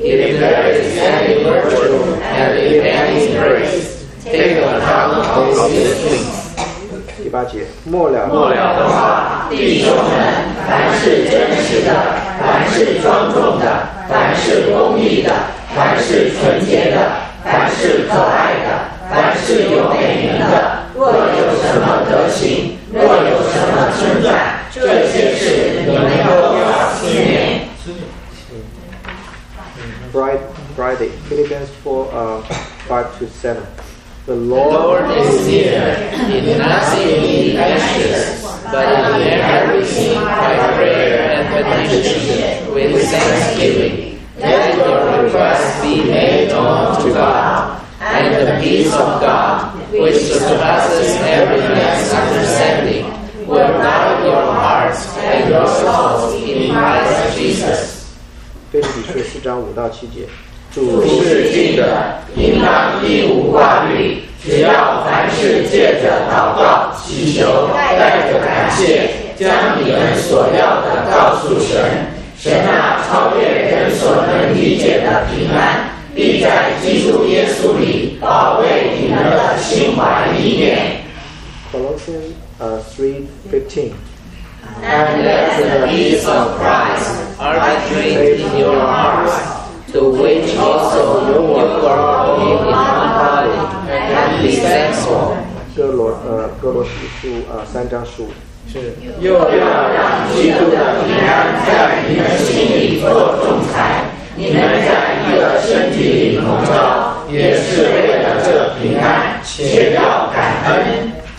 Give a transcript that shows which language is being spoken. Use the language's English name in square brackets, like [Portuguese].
[English] If there is any virtue and if any praise, take account of these things. [Chinese] 第八节，末了。末了的话，弟兄们，凡是真实的，凡是庄重的，凡是公义的，凡是纯洁的，凡是可爱的，凡是有美名的，若有什么德行，若有什么称赞，这些事你们都要纪念。 [English] Friday, Philippians 4:5-7. The Lord is near, in nothing he anxious, but in everything by prayer and petition with thanksgiving. Let your request be made known to God, and the peace of God, which surpasses every man's understanding, will guard your hearts and your souls in Christ Jesus. [Chinese] 腓立比书四章五到七节。主是近的，应当一无挂虑，只要凡事借着祷告、祈求，带着感谢，将你们所要的告诉神，神那超越人所能理解的平安，必在基督耶稣里保卫你们的心怀意念。 [English] Colossians 3:15. And let the peace of Christ arbitrate in your hearts. To which also you are called in one body, and be thankful. [Chinese] 哥罗西书三章十五。是。又要让基督的平安在你们心里做仲裁，你们在一个身体里同照，也是为了这平安，且要感恩。